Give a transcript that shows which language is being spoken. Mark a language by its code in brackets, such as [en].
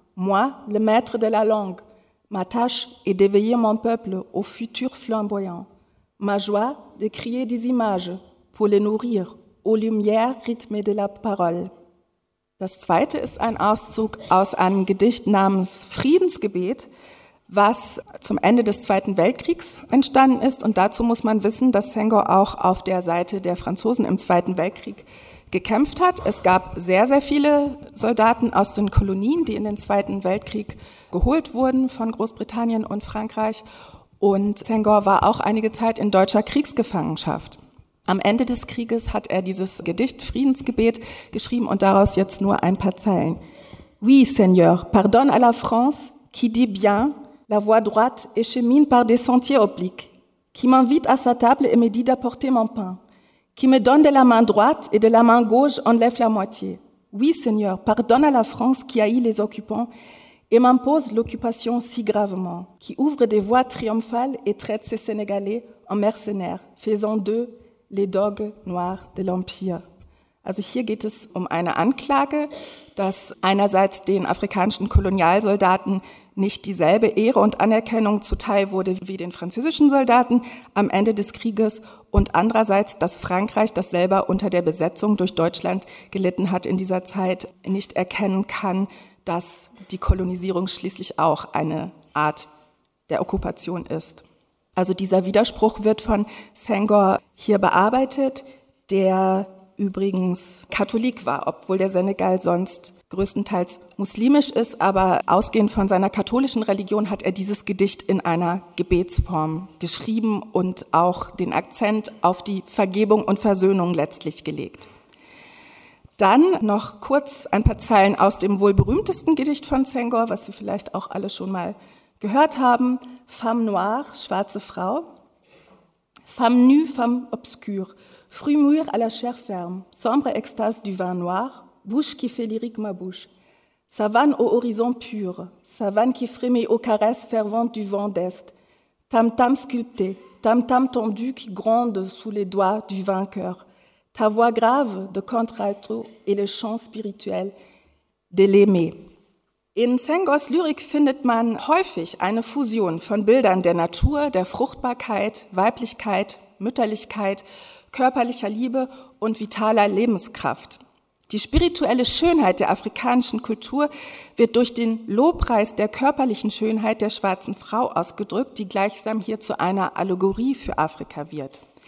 [fr] Moi, le maître de la langue. Ma tâche est d'éveiller mon peuple au futur flamboyant. Ma joie de créer des images pour les nourrir aux lumières rythmées de la parole. [de] Das zweite ist ein Auszug aus einem Gedicht namens Friedensgebet, was zum Ende des Zweiten Weltkriegs entstanden ist. Und dazu muss man wissen, dass Senghor auch auf der Seite der Franzosen im Zweiten Weltkrieg gekämpft hat. Es gab sehr, sehr viele Soldaten aus den Kolonien, die in den Zweiten Weltkrieg geholt wurden von Großbritannien und Frankreich. Und Senghor war auch einige Zeit in deutscher Kriegsgefangenschaft. Am Ende des Krieges hat er dieses Gedicht Friedensgebet geschrieben und daraus jetzt nur ein paar Zeilen. [fr] Oui, Seigneur, pardonne à la France qui dit bien la voie droite et chemine par des sentiers obliques, qui m'invite à sa table et me dit d'apporter mon pain, qui me donne de la main droite et de la main gauche enlève la moitié. Oui, Seigneur, pardonne à la France qui haït les occupants et m'impose l'occupation si gravement, qui ouvre des voies triomphales et traite ses Sénégalais en mercenaires, faisant d'eux les dogues noirs de l'Empire. [de] Also hier geht es um eine Anklage, dass einerseits den afrikanischen Kolonialsoldaten nicht dieselbe Ehre und Anerkennung zuteil wurde wie den französischen Soldaten am Ende des Krieges und andererseits, dass Frankreich, das selber unter der Besetzung durch Deutschland gelitten hat in dieser Zeit, nicht erkennen kann, dass die Kolonisierung schließlich auch eine Art der Okkupation ist. Also dieser Widerspruch wird von Senghor hier bearbeitet, der übrigens Katholik war, obwohl der Senegal sonst größtenteils muslimisch ist, aber ausgehend von seiner katholischen Religion hat er dieses Gedicht in einer Gebetsform geschrieben und auch den Akzent auf die Vergebung und Versöhnung letztlich gelegt. Dann noch kurz ein paar Zeilen aus dem wohl berühmtesten Gedicht von Senghor, was Sie vielleicht auch alle schon mal gehört haben. [fr] Femme noire, [de] schwarze Frau. [fr] Femme nue, femme obscure. Frühmuir à la chair ferme, sombre extase du vin noir, bouche qui fait lyrique ma bouche, savane au horizon pur, savane qui frémit aux caresses ferventes du vent d'est, tam-tam sculpté, tam-tam tendu qui gronde sous les doigts du vainqueur, ta voix grave de contralto et le chant spirituel de l'aimé. [de] In Senghors Lyrik findet man häufig eine Fusion von Bildern der Natur, der Fruchtbarkeit, Weiblichkeit, Mütterlichkeit, körperlicher Liebe und vitaler Lebenskraft. Die spirituelle Schönheit der afrikanischen Kultur wird durch den Lobpreis der körperlichen Schönheit der schwarzen Frau ausgedrückt, die gleichsam hier zu einer Allegorie für Afrika wird.